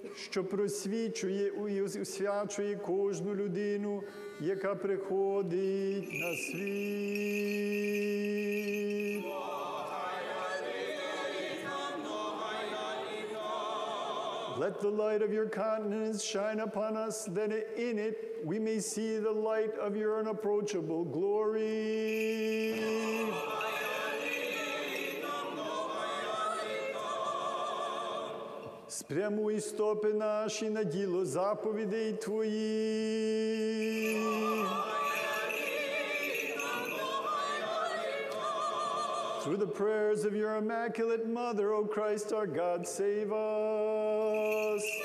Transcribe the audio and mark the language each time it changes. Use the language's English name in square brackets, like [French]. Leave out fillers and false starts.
[Ukrainian] Що просвічує і освячує кожну людину, яка приходить на світ. [English] Let the light of your countenance shine upon us, that in it we may see the light of your unapproachable glory. [Ukrainian] Прямуй стопи наші на діло заповідей Твої. [English] Through the prayers of your Immaculate Mother, O Christ our God, save us.